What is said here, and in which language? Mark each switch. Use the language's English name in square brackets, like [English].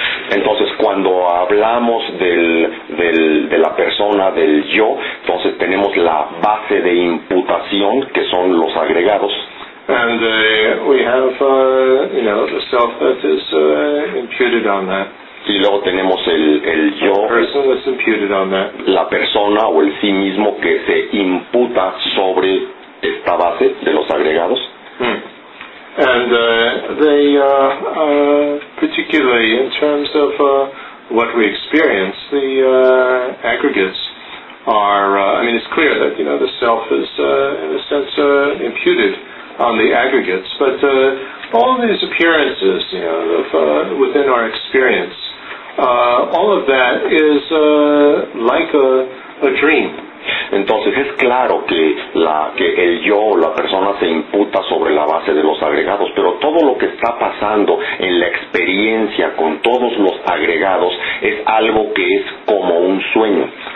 [Spanish] Entonces, cuando hablamos de la persona, del yo, entonces tenemos la base de imputación, que son los agregados. [English] And we have, you know, the self that is imputed on that. [Spanish] Y luego tenemos el yo, [English] the person that's imputed on that. [Spanish] La persona o el sí mismo que se imputa sobre esta base de los agregados. [English] And they particularly in terms of what we experience, the aggregates are, I mean, it's clear that, you know, the self is in a sense imputed on the aggregates, but all of these appearances, you know, of, within our experience, all of that is like a dream. [Spanish] Entonces es claro que el yo, la persona, se imputa sobre la base de los agregados, pero todo lo que está pasando en la experiencia con todos los agregados es algo que es como un sueño.